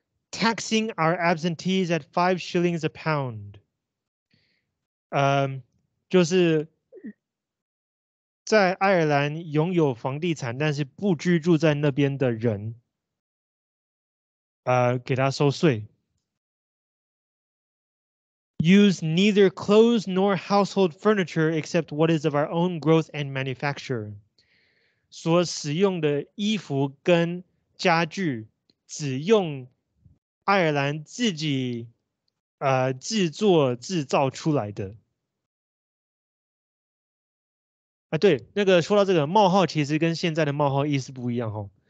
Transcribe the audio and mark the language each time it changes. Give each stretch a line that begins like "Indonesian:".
English: Taxing our absentees at 5 shillings a pound。
Chinese: 就是。在爱尔兰拥有房地产但是不居住在那边的人给他收税。
English: Use neither clothes nor household furniture except what is of our own growth and manufacture.
Chinese: 所使用的衣服跟家具只用爱尔兰自己制作制造出来的。对，那个说到这个冒号其实跟现在的冒号意思不一样哦。